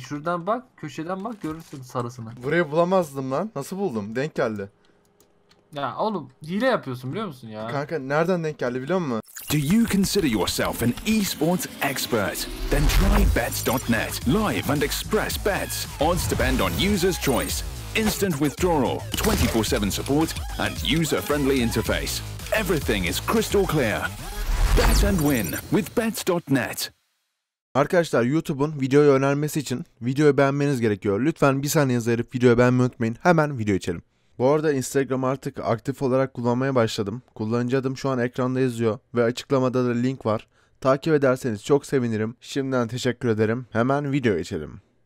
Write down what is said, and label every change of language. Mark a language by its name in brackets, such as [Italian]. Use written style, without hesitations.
[Turkish] Şuradan bak, köşeden bak, görürsün sarısını. Burayı bulamazdım lan. Nasıl buldum? Denk geldi. Ya oğlum, hile yapıyorsun biliyor musun ya? Kanka nereden denk geldi biliyor musun? [English] Do you consider yourself an esports expert? Then try bets.net. Live and express bets. Odds depend on user's choice. Instant withdrawal, 24/7 support and user-friendly interface. Everything is crystal clear. Bet and win with bets.net. [Turkish] Arkadaşlar YouTube'un videoyu önermesi için videoyu beğenmeniz gerekiyor. Lütfen bir saniye zayıf videoyu beğenmeyi unutmayın. Hemen video içelim. Bu arada Instagram artık aktif olarak kullanmaya başladım. Kullanıcı adım şu an ekranda yazıyor ve açıklamada da link var. Takip ederseniz çok sevinirim. Şimdiden teşekkür ederim. Hemen video içelim.